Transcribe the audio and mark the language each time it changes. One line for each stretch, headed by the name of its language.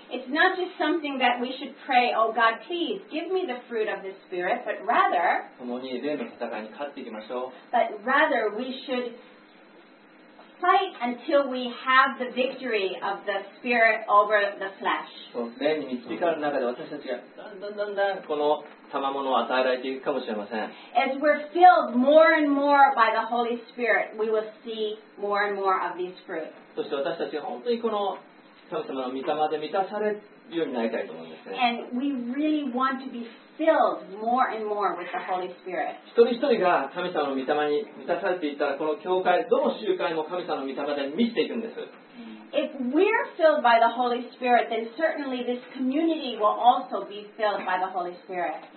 English: It's not just something that we should pray, oh God, please give me the fruit of the Spirit, but rather,
Japanese: 共に霊の戦いに勝っていきましょう。
English: But rather we should fight until we have the victory of the Spirit over the flesh.
Japanese: 霊に導かれる中で私たちがだんだんだんだんこの賜物を与えられていくかもしれません。
English: As we're filled more and more by the Holy Spirit, we will see more and more of these fruit.
Japanese: そして私たちは本当にこの神様の御霊で満たされるようになりたいと思うんですね。
English: And we really want to be filled more and more with the Holy Spirit.
Japanese: 一人一人が神様の御霊に満たされていったら、この教会、どの集会も神様の御霊で満ちていくんです。
English: If we're filled by the Holy Spirit, then certainly this community will also be filled by the Holy Spirit.